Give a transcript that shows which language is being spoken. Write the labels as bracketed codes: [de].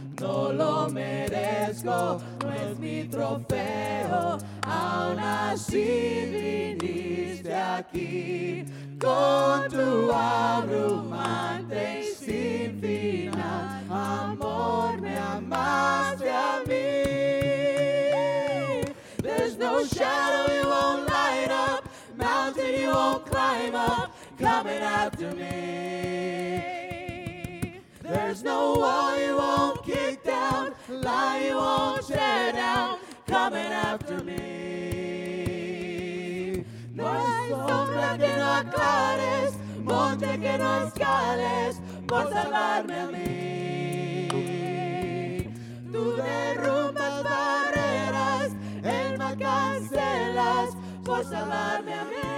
[es] No lo merezco, no es mi trofeo, aún así viniste aquí. Con tu abrumante y sin final amor me amaste a mí. [en] There's no shadow you won't light up, mountain you won't climb up, coming after me. There's no wall you won't kick down, lie you won't tear down, coming after me. [es] No hay sombra que no aclares, monte que no escales, por salvarme a mí. Tú derrumbas barreras, el mal cancelas, por salvarme a mí.